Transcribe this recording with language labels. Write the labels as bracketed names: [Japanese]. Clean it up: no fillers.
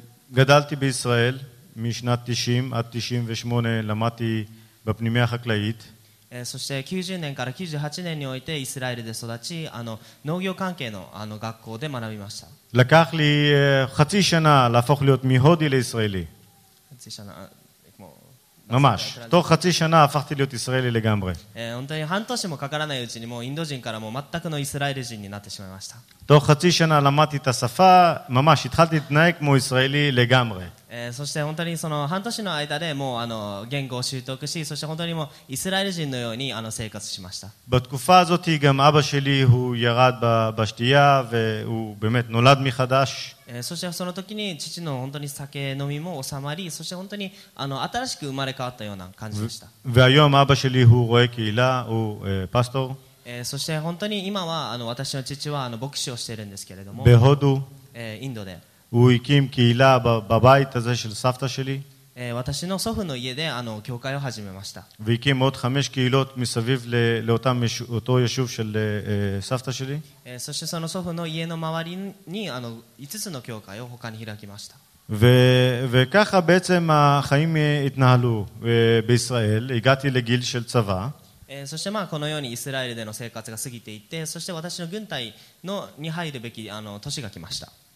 [Hebrew] וגדלתי בישראל משנת 90 עד 98 למדתי בפנימייה החקלאית. [Japanese] そして90年から98年においてイスラエルで育ち、あの農業関係のあの学校で学びました。 [Hebrew] לקח לי חצי שנה להפוך להיות מהודי לישראלי. חצי שנה ממש, תוך חצי שנה הפכתי להיות ישראלי לגמרי. [Japanese] אונטני, 半年もかからないうちにもうインド人からもう全くのイスラエル人になってしまいました。 [Hebrew] תוך חצי שנה למדתי את השפה, ממש התחלתי להתנהג כמו ישראלי לגמרי. [Japanese] そして本当にその半年の間でもうあの言語を習得し、そして本当にもうイスラエル人のようにあの生活しました。 [Hebrew] בתקופה הזאת גם אבא שלי הוא ירד בשתייה והוא באמת נולד מחדש. [Japanese] そしてその時に父の本当に酒飲みも収まり、そして本当にあの新しく生まれ変わったような感じでした。 [Hebrew] והיום אבא שלי הוא רואה קהילה, הוא פסטור. [Japanese] そして本当に今はあの私の父はあの牧師をしているんですけれども。 [Hebrew] בהודו. [Japanese] インドで。 [Hebrew] הוא הקים קהילה בבית הזה של סבתא שלי. [Japanese] 私の祖父の家で教会を始めました。 [Hebrew] והקים עוד 5 קהילות מסביב לאותו יישוב של סבתא שלי. [Japanese] そしてその祖父の家の周りに5つの教会を他に開きました。 [Hebrew] וככה בעצם החיים התנהלו בישראל. הגעתי לגיל של צבא. [Japanese] そしてこのようにイスラエルでの生活が過ぎていって、そして私の軍隊のに入るべき年が来ました。